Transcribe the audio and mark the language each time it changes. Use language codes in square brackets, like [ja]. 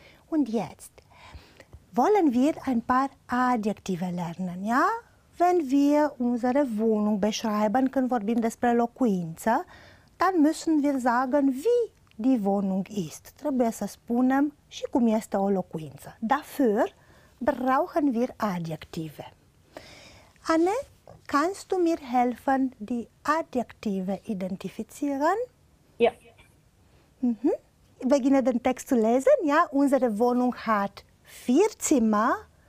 [de] Und jetzt wollen wir ein paar Adjektive lernen, ja? Wenn wir unsere Wohnung beschreiben, können wir [ro] bin despre locuință, [de] dann müssen wir sagen, wie die Wohnung ist. [ro] Trebuie să spunem și cum este o locuință. [de] Dafür brauchen wir Adjektive. Anne, kannst du mir helfen, die Adjektive identifizieren? Ich beginne den Text zu lesen. Ja, unsere Wohnung hat 4 Zimmer.